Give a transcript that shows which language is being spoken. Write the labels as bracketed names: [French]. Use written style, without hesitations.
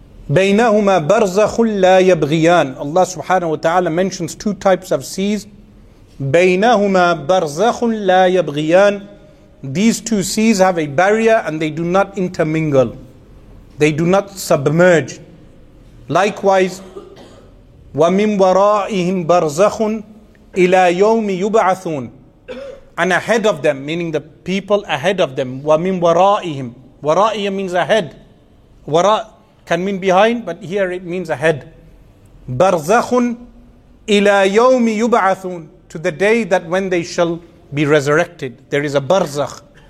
[Arabic] بَيْنَهُمَا بَرْزَخٌ لَا يَبْغِيَانَ. [English] Allah subhanahu wa ta'ala mentions two types of seas. [Arabic] بَيْنَهُمَا بَرْزَخٌ لَا يَبْغِيَانَ. [English] These two seas have a barrier and they do not intermingle. They do not submerge. [Arabic] Likewise, وَمِنْ وَرَائِهِمْ بَرْزَخٌ إِلَى يَوْمِ يُبْعَثُونَ. [English] And ahead of them, meaning the people ahead of them. [Arabic] وَمِنْ وَرَائِهِمْ. [English] وَرَائِهِمْ means ahead. وَرَا can mean behind, but here it means ahead. [Arabic] بَرْزَخٌ إِلَى يَوْمِ يُبْعَثُونَ. [English] To the day that when they shall be resurrected. There is a barzakh.